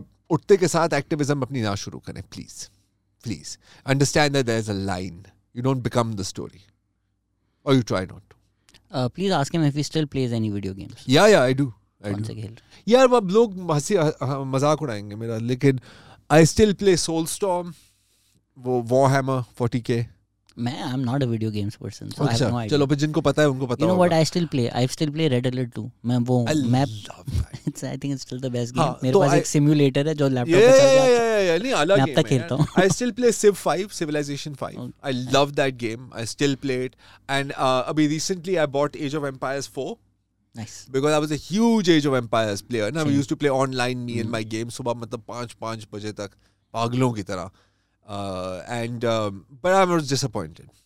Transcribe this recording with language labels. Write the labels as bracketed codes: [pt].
[hi] Utte ke saath activism apni na shuru kare, please. Please. [en] Understand that there's a line. You don't become the story. Or you try not to. Please ask him if he still plays any video games. Yeah, I do. [hi] कौन सा खेल? अब लोग हंसी मजाक उड़ाएंगे मेरा, लेकिन [en] I still play Soulstorm, [hi] वो Warhammer 40K. [en] मैं I'm not a video games person, so I have no idea. [hi] चलो फिर जिनको पता है उनको पता [en] होगा. You know what? I still play Red Alert 2. [hi] मैं वो [en] map. I think it's still the best game. [hi] मेरे पास एक simulator है जो laptop पे चल रहा है. नहीं अलग game. मैं अब तक खेलता हूँ. [en] I still play Civ 5, Civilization 5. I love that game. I still play it. And अभी recently I bought Age of Empires 4. Nice. Because I was a huge Age of Empires player. Na? We used to play online, me and my game. [hi] Subah matlab 5-5 baje tak. Paglon ki tarah. [en] But I was disappointed.